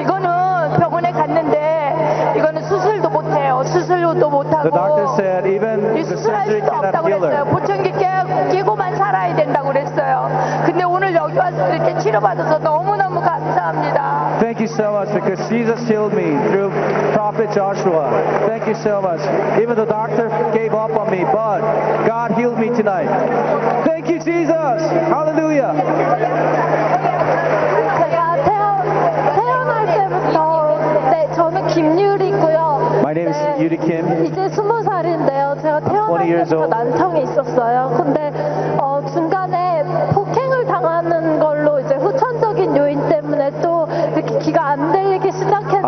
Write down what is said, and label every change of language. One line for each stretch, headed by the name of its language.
Korean: 이거는 병원에 갔는데 이거는 수술도 못 해요. 수술도 못 하고.
English: The doctor said even the surgery cannot heal her.
Korean: 보청기 끼고만 살아야 된다고 그랬어요. 근데 오늘 여기 와서 이렇게 치료받아서 너무너무 감사합니다.
English: Thank you so much because Jesus healed me through Prophet Joshua. Thank you so much. Even the doctor gave up on me, but God healed me tonight. Thank you, Jesus. Hallelujah.
Korean: 제가 태어날 때부터 네, 저는 김유리고요.
English: My name is
Korean: 네,
English: Yuri Kim.
Korean: 이제 20살인데요. 제가 태어날 때부터 난청이 있었어요. 근데 중간에 폭행을 당하는 걸로 이제 후천적인 요인 때문에 또 이렇게 귀가 안 들리기 시작했는데